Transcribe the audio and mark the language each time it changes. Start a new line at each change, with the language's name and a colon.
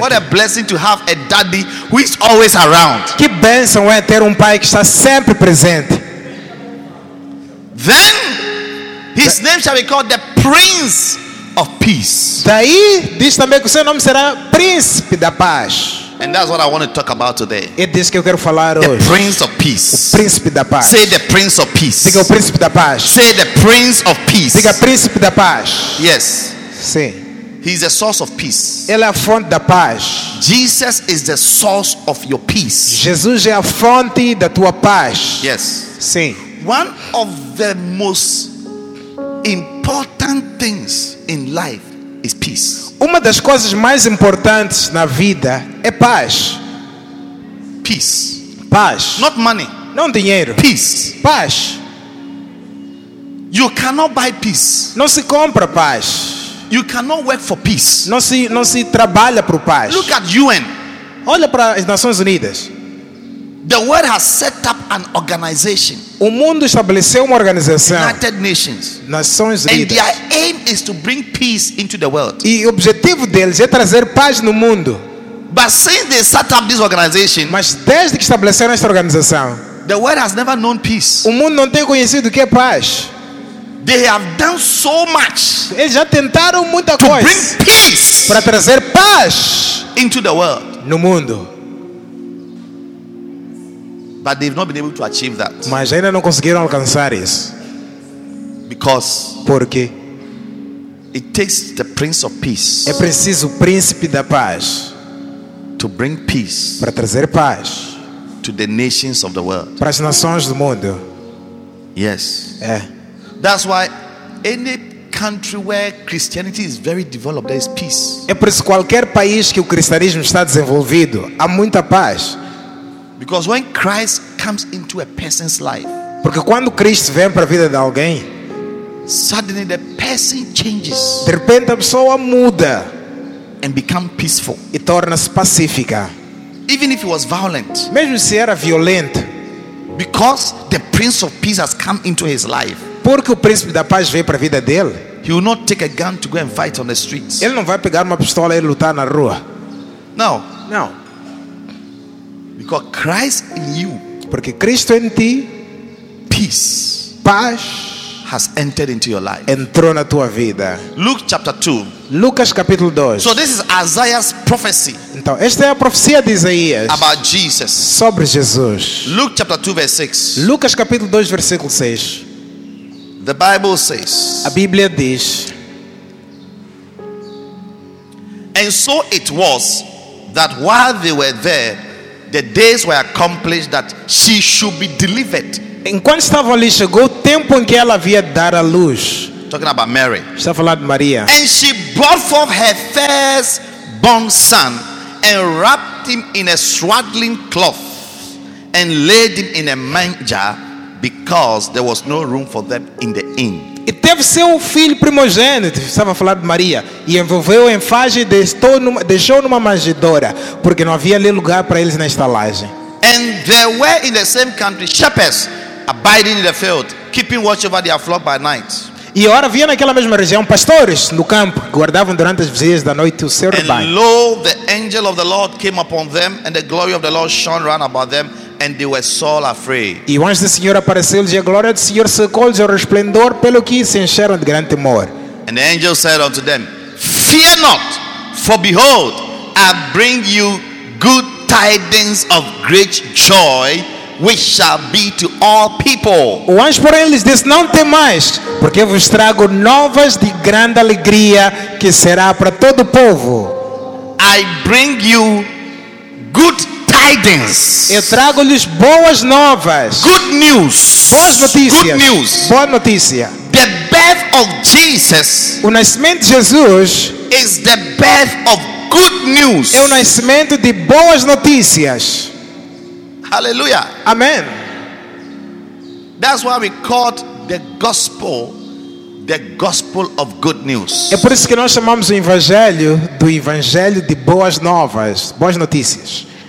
English: What a blessing to have a daddy who is always around.
Portuguese: Que bênção é ter pai que está sempre presente.
English: Then his name shall be called the Prince of Peace.
Portuguese: Daí diz também que o seu nome será Príncipe da Paz.
English: And that's what I want to talk about today.
Portuguese: É disso que eu quero falar
English: the
Portuguese: hoje.
English: The Prince of Peace.
Portuguese: O Príncipe da Paz.
English: Say the Prince of Peace.
Portuguese: Diga o Príncipe da Paz.
English: Say the Prince of Peace.
Portuguese: Diga Príncipe da Paz.
English: Yes.
Portuguese: Sim.
English: He is the source of peace.
Portuguese: Ele é a fonte da paz.
English: Jesus is the source of your peace.
Portuguese: Jesus é a fonte da tua paz.
English: Yes.
Portuguese: Sim.
English: One of the most important things in life is peace.
Portuguese: Uma das coisas mais importantes na vida é paz.
English: Peace.
Portuguese: Paz.
English: Not money.
Portuguese: Não dinheiro.
English: Peace.
Portuguese: Paz.
English: You cannot buy peace.
Portuguese: Não se compra paz.
English: You cannot work for peace.
Portuguese: Não se trabalha para paz.
English: Look at UN.
Portuguese: Olha para as Nações Unidas.
English: The world has set up an organization.
Portuguese: O mundo estabeleceu uma organização.
English: United Nations.
Portuguese: Nações Unidas.
English: And their aim is to bring peace into the world.
Portuguese: E o objetivo deles é trazer paz no mundo.
English: But since they set up this organization,
Portuguese: mas desde que estabeleceram esta organização,
English: the world has never known peace.
Portuguese: O mundo não tem conhecido o que é paz.
English: They have done so much.
Portuguese: Eles já tentaram muita coisa.
English: To bring peace
Portuguese: para trazer paz
English: into the world.
Portuguese: No mundo.
English: But they've not been able to achieve that.
Portuguese: Mas ainda não conseguiram alcançar isso.
English: Because
Portuguese: porque
English: it takes the Prince of Peace.
Portuguese: É preciso o Príncipe da Paz.
English: To bring peace.
Portuguese: Para trazer paz.
English: To the nations of the world.
Portuguese: Para as nações do mundo.
English: Yes.
Portuguese: É.
English: That's why any country where Christianity is very developed, there is peace.
Portuguese: É por isso que qualquer país que o cristianismo está desenvolvido, há muita paz.
English: Because when Christ comes into a person's life,
Portuguese: porque quando Cristo vem para a vida de alguém,
English: suddenly the person changes.
Portuguese: De repente a pessoa muda
English: and becomes peaceful.
Portuguese: E torna-se pacífica.
English: Even if it was violent.
Portuguese: Mesmo se era violento.
English: Because the Prince of Peace has come into his life.
Portuguese: Porque o Príncipe da Paz veio para a vida dele.
English: He will not take a gun to go and fight on the streets.
Portuguese: Ele não vai pegar uma pistola e lutar na rua.
English: No.
Portuguese: No.
English: Because Christ in you.
Portuguese: Porque Cristo em ti,
English: peace,
Portuguese: paz
English: has entered into your life.
Portuguese: Entrou na tua vida.
English: Luke chapter 2.
Portuguese: Lucas capítulo 2.
English: So this is Isaiah's prophecy.
Portuguese: Então, esta é a profecia de Isaías.
English: About Jesus.
Portuguese: Sobre Jesus.
English: Luke chapter 2 verse 6.
Portuguese: Lucas capítulo 2 versículo 6.
English: The Bible says.
Portuguese: A Bíblia diz.
English: And so it was that while they were there, the days were accomplished that she should be delivered.
Portuguese: Enquanto estava ali, chegou o tempo em que ela havia de dar à luz.
English: Talking about Mary.
Portuguese: Está falando de Maria.
English: And she brought forth her first born son and wrapped him in a swaddling cloth and laid him in a manger. Because there was no room for them in the inn.
Portuguese: E teve seu filho primogênito, estava a falar de Maria, e envolveu em faje e deixou numa manjedoura, porque não havia ali lugar para eles na estalagem.
English: And there were in the same country shepherds abiding in the field, keeping watch over their flock by night.
Portuguese: E ora havia naquela mesma região pastores no campo que guardavam durante as vigílias da noite o seu rebanho.
English: And lo, the angel of the Lord came upon them, and the glory of the Lord shone round about them. And they were sore afraid.
Portuguese: E o anjo do Senhor apareceu-lhes e a glória do Senhor cercou-lhes e o resplendor pelo que se encheram de grande temor.
English: And the angel said unto them, fear not, for behold, I bring you good tidings of great joy, which shall be to all people.
Portuguese: O anjo porém lhes disse, não temais, porque vos trago novas de grande alegria que será para todo o povo.
English: I bring you good tidings.
Portuguese: Eu trago-lhes boas novas.
English: Good news.
Portuguese: Boas notícias.
English: Good news.
Portuguese: Boa notícia.
English: The birth of Jesus.
Portuguese: O nascimento de Jesus
English: is the birth of good news.
Portuguese: É o nascimento de boas notícias.
English: Hallelujah.
Portuguese: Amen.
English: That's why we call the gospel the gospel of good news.
Portuguese: É por isso que nós chamamos o evangelho do evangelho de boas novas, boas notícias.